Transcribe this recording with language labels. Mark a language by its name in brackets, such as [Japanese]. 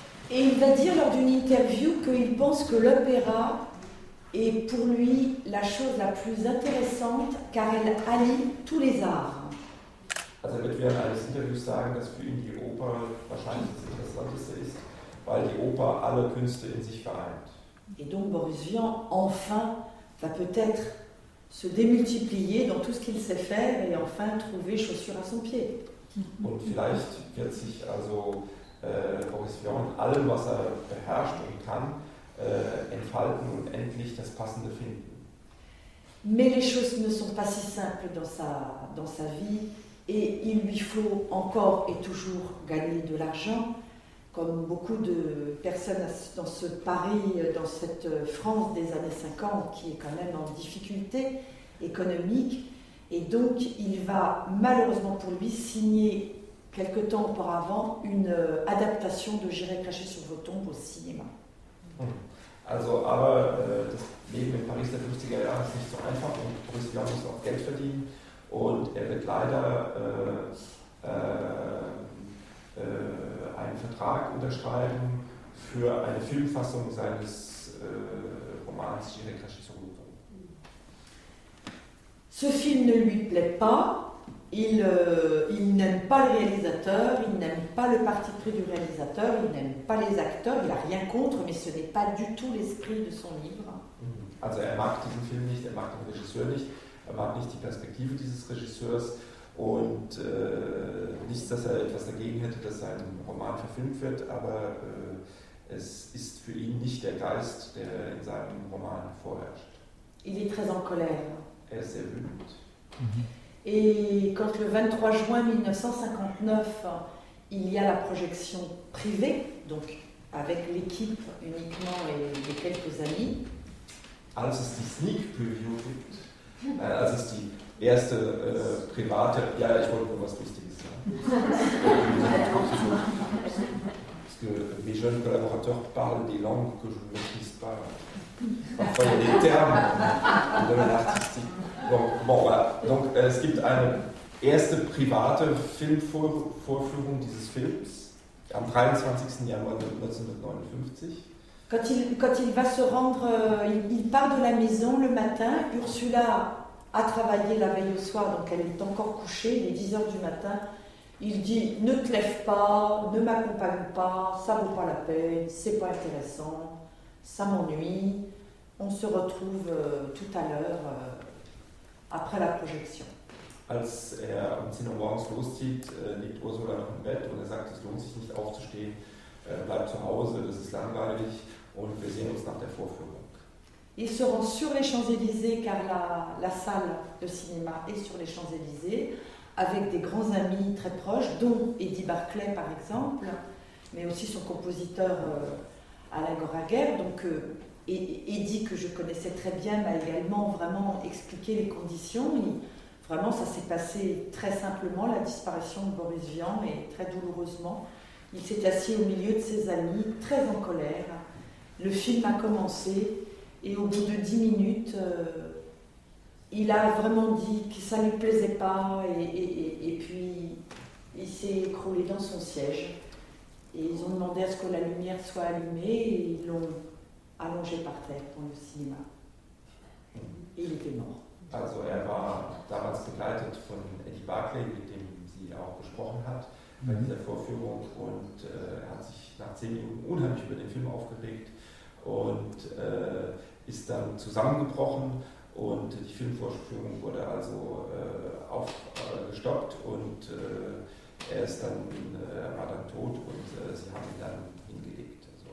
[French] Et il va dire lors d'une interview qu'il pense que l'opéra est pour lui la chose la plus intéressante, car elle allie tous les arts. [German] Also, wird während eines Interviews sagen, dass für ihn die Oper wahrscheinlich das Interessanteste ist, weil die Oper alle Künste in sich vereint. [French] Et donc Boris Vian enfin va peut-être se démultiplier dans tout ce qu'il sait faire et enfin trouver chaussure à son pied. [German] Und vielleicht wird sich also Boris Vian in allem, was er beherrscht und kann, entfalten und endlich das Passende finden. [French] Mais les choses ne sont pas si simples dans sa vie et il lui faut encore et toujours gagner de l'argent, comme beaucoup de personnes dans ce Paris, dans cette France des années 50 qui est quand même en difficulté économique. Et donc il va malheureusement pour lui signer quelque temps auparavant une adaptation de J'irai cracher sur vos tombes au cinéma. [German] Also, aber das Leben in Paris der 50er Jahre ist nicht so einfach und Boris Vian muss auch Geld verdienen und er wird leider einen Vertrag unterschreiben für eine Filmfassung seines Romans J'irai cracher sur vos tombes. [French] Ce film ne lui plaît pas. Il n'aime pas le réalisateur, il n'aime pas le parti pris du réalisateur, il n'aime pas les acteurs, il n'a rien contre, mais ce n'est pas du tout l'esprit de son livre. [German] Also, er mag diesen Film nicht, er mag den Regisseur nicht, man hat nicht die Perspektive dieses Regisseurs und nichts, dass er etwas dagegen hätte, dass sein Roman verfilmt wird, aber es ist für ihn nicht der Geist, der in seinem Roman vorherrscht. [French] Il est très en colère. [German] Er ist sehr wütend. Mhm. [French] Et quand le 23 juin 1959, il y a la projection privée, donc avec l'équipe uniquement et les quelques amis. [German] Als es die Sneak Preview gibt, als es die erste private, ja, ich wollte nur was Wichtiges sagen. [French] Parce que mes jeunes collaborateurs parlent des langues que je ne maîtrise pas. Parfois il y a des termes du domaine artistique. Donc, [German] es gibt eine erste private Filmvorführung dieses Films am 23. Januar 1959. [French] Quand il va se rendre, il part de la maison le matin. Ursula a travaillé la veille au soir, donc elle est encore couchée. Il est 10h du matin. Il dit « Ne te lève pas, ne m'accompagne pas, ça vaut pas la peine, c'est pas intéressant, ça m'ennuie. On se retrouve tout à l'heure. » Après la projection. [German] Als er um 10 Uhr morgens loszieht, liegt Ursula noch im Bett und er sagt, es lohnt sich nicht aufzustehen, bleibt zu Hause, das ist langweilig und wir sehen uns nach der Vorführung. [French] Ils seront sur les Champs-Élysées, car la salle de cinéma est sur les Champs-Élysées, avec des grands amis très proches, dont Eddie Barclay par exemple, mais aussi son compositeur Alain Goraguer. Donc, et Eddie, que je connaissais très bien, m'a également vraiment expliqué les conditions. Et vraiment, ça s'est passé très simplement, la disparition de Boris Vian, et très douloureusement. Il s'est assis au milieu de ses amis, très en colère. Le film a commencé, et au bout de 10 minutes, il a vraiment dit que ça ne lui plaisait pas, et puis il s'est écroulé dans son siège. Et ils ont demandé à ce que la lumière soit allumée, et ils l'ont allongé par terre pour le cinéma. Et il était mort. [German] Also er war damals begleitet von Eddie Barclay, mit dem sie auch gesprochen hat, bei dieser Vorführung, und er hat sich nach 10 Minuten unheimlich über den Film aufgeregt und ist dann zusammengebrochen und die Filmvorführung wurde also gestoppt und war dann tot und sie haben ihn dann hingelegt.